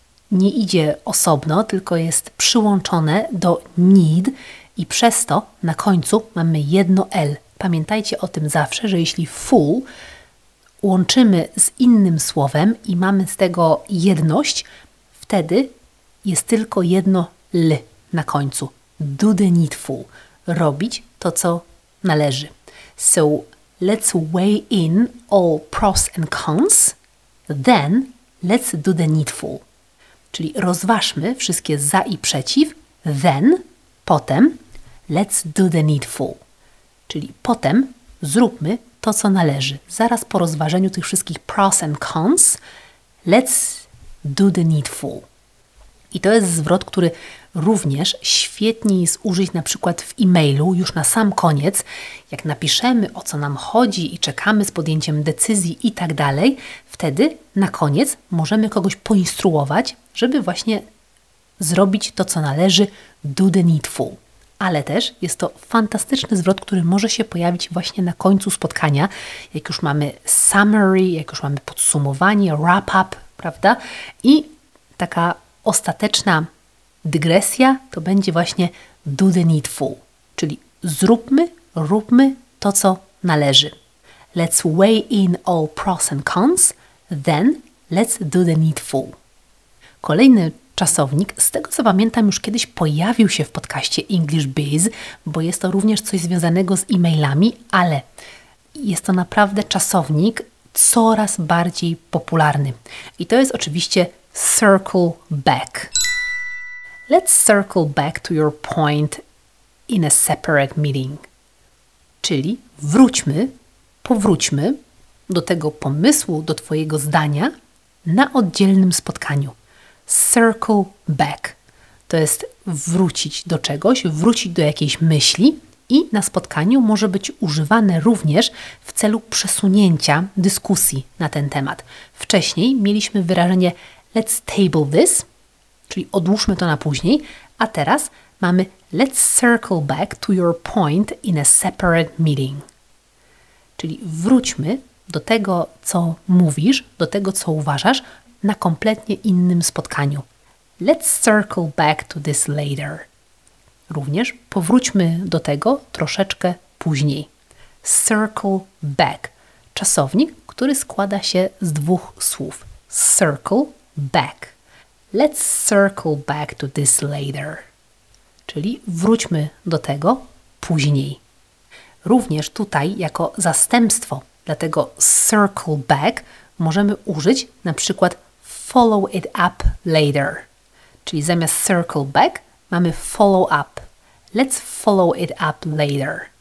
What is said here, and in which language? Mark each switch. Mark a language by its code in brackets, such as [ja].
[pl] Nie idzie osobno, tylko jest przyłączone do need i przez to na końcu mamy jedno L. Pamiętajcie o tym zawsze, że jeśli full łączymy z innym słowem i mamy z tego jedność, wtedy jest tylko jedno L na końcu. [en] Do the needful. [pl] Robić to, co należy. [en] So, let's weigh in all pros and cons, then let's do the needful. [pl] Czyli rozważmy wszystkie za i przeciw, [en] then, [pl] potem, [en] let's do the needful. [pl] Czyli potem zróbmy to, co należy. Zaraz po rozważeniu tych wszystkich [en] pros and cons, let's do the needful. [pl] I to jest zwrot, który również świetnie jest użyć na przykład w e-mailu już na sam koniec, jak napiszemy, o co nam chodzi i czekamy z podjęciem decyzji i tak dalej, wtedy na koniec możemy kogoś poinstruować, żeby właśnie zrobić to, co należy, [en] do the needful. [pl] Ale też jest to fantastyczny zwrot, który może się pojawić właśnie na końcu spotkania, jak już mamy summary, jak już mamy podsumowanie, wrap-up, prawda? I taka ostateczna dygresja to będzie właśnie [en] do the needful, [pl] czyli róbmy to, co należy. [en] Let's weigh in all pros and cons, then let's do the needful. [pl] Kolejny czasownik, z tego co pamiętam, już kiedyś pojawił się w podcaście English Biz, bo jest to również coś związanego z e-mailami, ale jest to naprawdę czasownik coraz bardziej popularny. I to jest oczywiście circle back. [en] Let's circle back to your point in a separate meeting. [pl] Czyli powróćmy do tego pomysłu, do Twojego zdania na oddzielnym spotkaniu. [en] Circle back. [pl] To jest wrócić do czegoś, wrócić do jakiejś myśli i na spotkaniu może być używane również w celu przesunięcia dyskusji na ten temat. Wcześniej mieliśmy wyrażenie [en] let's table this, [pl] czyli odłóżmy to na później, a teraz mamy [en] let's circle back to your point in a separate meeting. [pl] Czyli wróćmy do tego, co mówisz, do tego, co uważasz, na kompletnie innym spotkaniu. [en] Let's circle back to this later. [pl] Również powróćmy do tego troszeczkę później. [en] Circle back. [pl] Czasownik, który składa się z dwóch słów. [en] Circle back. Let's circle back to this later. [pl] Czyli wróćmy do tego później. Również tutaj jako zastępstwo dla tego circle back możemy użyć na przykład [en] follow it up later. [pl] Czyli zamiast [en] circle back [pl] mamy [en] follow up. Let's follow it up later.